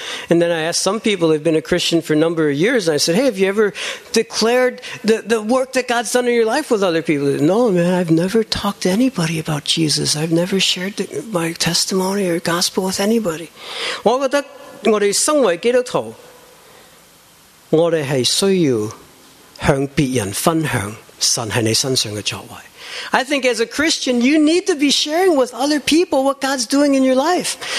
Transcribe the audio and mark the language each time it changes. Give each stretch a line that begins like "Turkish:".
English: And then I asked some people who've been a Christian for a number of years, and I said, hey, have you ever declared the work that God's done in your life with other people? Said, no, man, I've never talked to anybody about Jesus. I've never shared my testimony or gospel with anybody.
Chinese: 我觉得我们身为基督徒，我们是需要向别人分享神在你身上的作为。
English: I think as a Christian, you need to be sharing with other people what God's doing in your life.